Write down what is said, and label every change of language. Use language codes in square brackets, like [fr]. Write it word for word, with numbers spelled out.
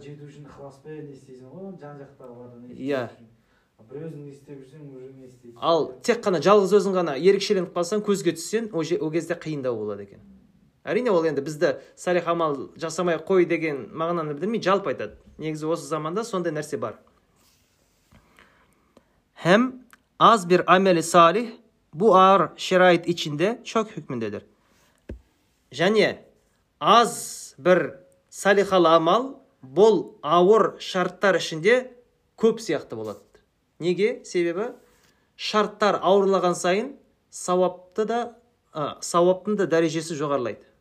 [kk] Жету үшін ықыласпен не істейсің ғой, жан-жақтағылардан не істейсің. Иә. Бір өзің не істеп жүрсең, уже не істейсің. Ал тек қана жалғыз өзің ғана ерекшеленіп қалсаң, көзге түссең, ол кезде қиындау болады екен. Әрине ол енді бізді салих амал жасамай қой деген мағынаны білдірмей жалпы айтады. Негізі осы заманда сондай нәрсе бар. [tr] Һәм аз бір амели салих bu ağır şerait içinde çok hükmündedir. [kk] Және аз бір салихалы амал бұл ауыр шарттар ішінде көп сияқты болады. Неге? Себебі шарттар ауырлаған сайын сауапты да, ә, сауаптың да дәрежесі жоғарылайды.